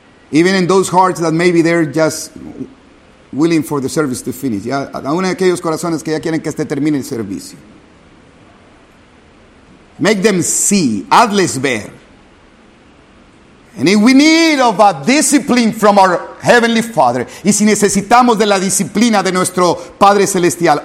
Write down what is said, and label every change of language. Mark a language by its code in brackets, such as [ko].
[en] Even in those hearts that maybe they're just willing for the service to finish. [es] Ya, aún en aquellos corazones que ya quieren que este termine el servicio. [en] Make them see. [es] Hazles ver. [en] And if we need of a discipline from our Heavenly Father. [es] Y si necesitamos de la disciplina de nuestro Padre Celestial.